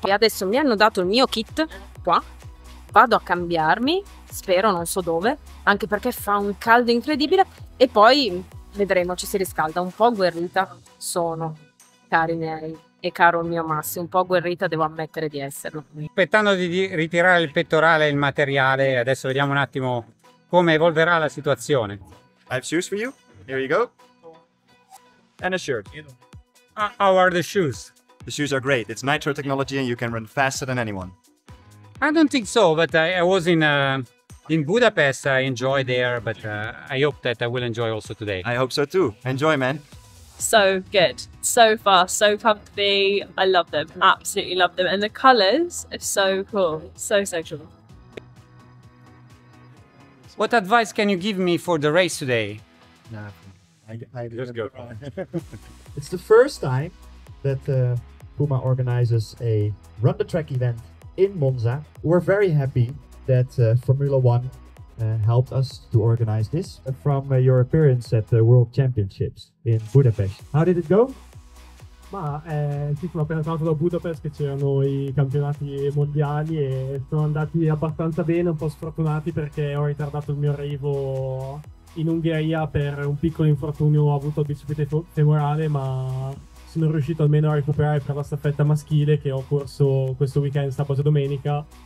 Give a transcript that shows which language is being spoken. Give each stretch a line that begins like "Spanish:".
Italian: E adesso mi hanno dato il mio kit qua, vado a cambiarmi, spero, non so dove, anche perché fa un caldo incredibile, e poi vedremo, ci si riscalda. Un po' agguerrita sono, cari miei e caro mio Massi, un po' agguerrita devo ammettere di esserlo. Aspettando di ritirare il pettorale e il materiale, adesso vediamo un attimo come evolverà la situazione.
English: I have shoes for you, here you go, and a shirt. How are the shoes? The shoes are great, it's Nitro technology and you can run faster than anyone. I don't think so, but I was in Budapest. I enjoy there, but I hope that I will enjoy also today. I hope so too. Enjoy, man. So good. So fast, so comfy. I love them. Absolutely love them. And the colors are so cool. So sexual. What advice can you give me for the race today? Just go. It's the first time that Puma organizes a run the track event in Monza. We're very happy that Formula One helped us to organize this from your appearance at the World Championships in Budapest. How did it go?
Italian: Ma sono appena tornato da Budapest, che c'erano i campionati mondiali, e sono andati abbastanza bene, un po' sfortunati perché ho ritardato il mio arrivo in Ungheria per un piccolo infortunio, ho avuto il bicipite femorale, ma sono riuscito almeno a recuperare per la staffetta maschile che ho corso questo weekend, sabato e domenica.